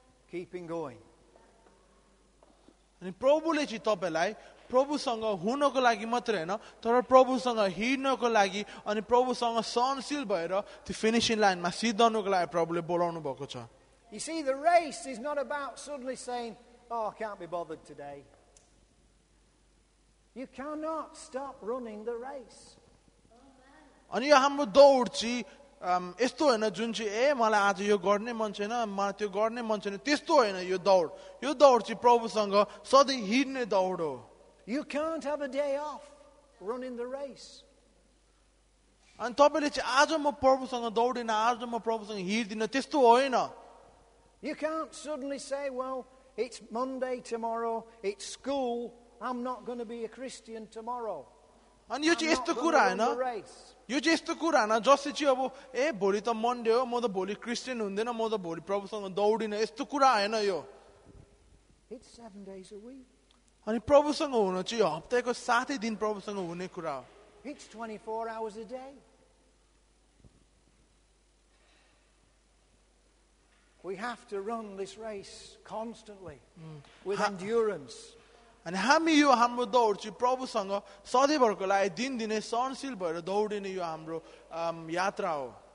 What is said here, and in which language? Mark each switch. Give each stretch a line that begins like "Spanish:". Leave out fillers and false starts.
English: Keeping going.
Nepali: अनि प्रभुले चाहिँ तपाईँलाई प्रभुसँग हुनको लागि मात्र होइन तर प्रभुसँग हिँड्नको लागि अनि प्रभुसँग सहनशील भएर त्यो फिनिसिङ लाइनमा सिद्धाउनको लागि प्रभुले बोलाउनु भएको छ.
English: You see, the race is not about suddenly saying, oh, I can't be bothered today. You cannot stop running the race.
Nepali: अनि यो हाम्रो दौड छ यस्तो होइन जुन चाहिँ मलाई आज यो गर्ने मन छैन मलाई त्यो गर्ने मन छैन त्यस्तो होइन यो दौड चाहिँ प्रभुसँग सधैँ हिँड्ने दौड हो.
English: You can't have a day off running the race.
Nepali: अनि तपाईँले चाहिँ आज म प्रभुसँग दौडिन आज म प्रभुसँग हिँड्दिन त्यस्तो होइन.
English: You can't suddenly say, well, it's Monday tomorrow, it's school, I'm not going to be a Christian tomorrow.
Nepali: अनि यो चाहिँ यस्तो कुरा होइन यो चाहिँ यस्तो कुरा होइन जस्तै चाहिँ अब भोलि त मन्डे हो म त भोलि क्रिस्चियन हुँदैन म त भोलि प्रभुसँग दौडिन यस्तो कुरा होइन यो.
English: It's 7 days a week.
Nepali: अनि प्रभुसँग हुनु चाहिँ हप्ताको सातै दिन प्रभुसँग हुने कुरा हो.
English: It's 24 hours a day. We have to run this race constantly with endurance.
Nepali: अनि हामी यो हाम्रो दौड चाहिँ प्रभुसँग सधैँभरको लागि दिनदिनै सहनशील भएर दौडिने यो हाम्रो यात्रा हो.